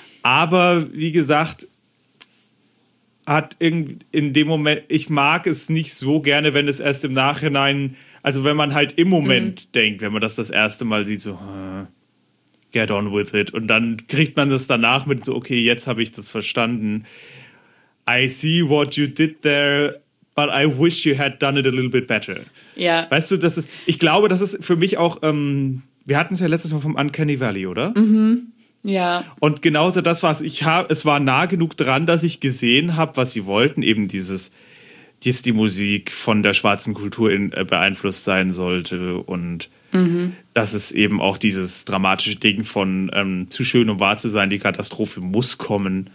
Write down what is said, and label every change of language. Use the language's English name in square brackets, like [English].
[German] Aber wie gesagt, hat in dem Moment, ich mag es nicht so gerne, wenn es erst im Nachhinein, also wenn man halt im Moment denkt, wenn man das erste Mal sieht, [English] so get on with it. [German] Und dann kriegt man das danach mit so, okay, jetzt habe ich das verstanden. [English] I see what you did there, but I wish you had done it a little bit better. [German] Ja. Weißt du, ich glaube, das ist für mich auch, wir hatten es ja letztes Mal vom Uncanny Valley, oder? Mhm, ja. Und genauso das war es. Es war nah genug dran, dass ich gesehen habe, was sie wollten, eben dieses... dass die Musik von der schwarzen Kultur beeinflusst sein sollte und dass es eben auch dieses dramatische Ding von zu schön, um wahr zu sein, die Katastrophe muss kommen.